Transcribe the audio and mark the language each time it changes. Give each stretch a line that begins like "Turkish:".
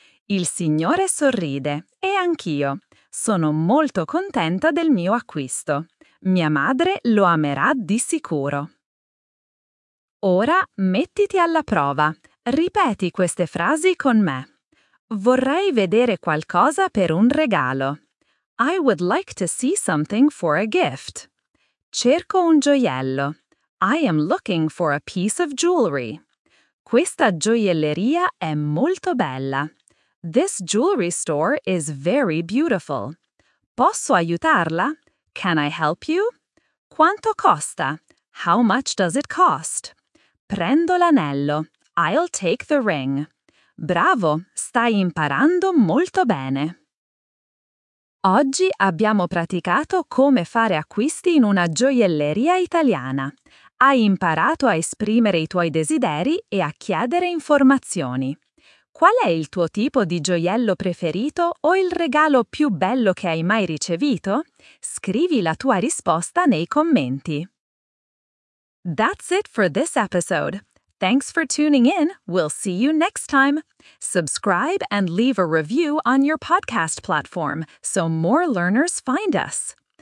Italian: Il signore sorride, e anch'io. Sono molto contenta del mio acquisto. Mia madre lo amerà di sicuro. Ora mettiti alla prova. Ripeti queste frasi con me. Vorrei vedere qualcosa per un regalo.
English: I would like to see something for a gift.
Italian: Cerco un gioiello.
English: I am looking for a piece of jewelry.
Italian: Questa gioielleria è molto bella.
English: This jewelry store is very beautiful.
Italian: Posso aiutarla?
English: Can I help you?
Italian: Quanto costa?
English: How much does it cost?
Italian: Prendo l'anello.
English: I'll take the ring.
Italian: Bravo, stai imparando molto bene. Oggi abbiamo praticato come fare acquisti in una gioielleria italiana. Hai imparato a esprimere i tuoi desideri e a chiedere informazioni. Qual è il tuo tipo di gioiello preferito o il regalo più bello che hai mai ricevuto? Scrivi la tua risposta nei commenti.
English: That's it for this episode. Thanks for tuning in. We'll see you next time. Subscribe and leave a review on your podcast platform so more learners find us.